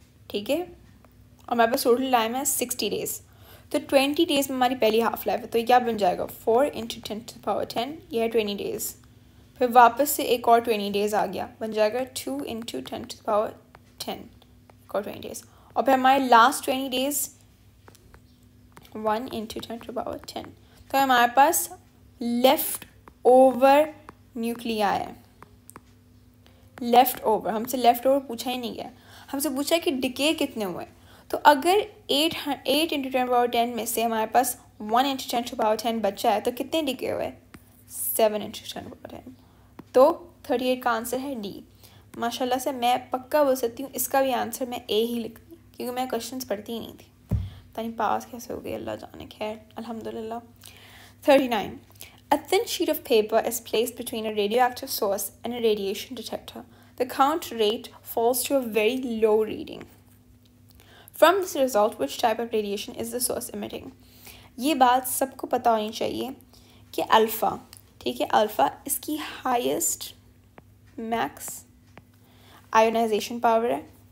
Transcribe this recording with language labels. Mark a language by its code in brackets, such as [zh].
[hi] ठीक है और हमारे पास टोटल टाइम है 60 डेज तो 20 डेज में हमारी पहली हाफ लाइफ है तो क्या बन जाएगा 4 × 10^10 यह है 20 डेज फिर वापस से एक और 20 डेज आ गया बन जाएगा 2 × 10^10 और 20 डेज और फिर हमारे last 20 days [en] 1 into 10 to the power 10. So, we have leftover nuclei. Leftover. We haven't asked leftover. [hi] हम से पूछा है कि डिके कितने हुए तो अगर 8 into 10 power 10 में से हमारे पास 1 into 10 to power 10 बचा है तो कितने डिके हुए 7 into 10 power 10 तो 38 का आंसर है डी माशाल्लाह से मैं पक्का बोल सकती हूं इसका भी आंसर मैं ए ही लिखती क्योंकि मैं क्वेश्चंस पढ़ती ही नहीं थी पता नहीं पास कैसे हो गए अल्लाह जाने खैर अल्हम्दुलिल्लाह 39 [en] a thin sheet of paper is placed between a radioactive source and a radiation detector The count rate falls to a very low reading. From this result, which type of radiation is the source emitting? [hi] ये बात सबको पता होनी चाहिए कि alpha, ठीक है alpha इसकी highest max ionization power है.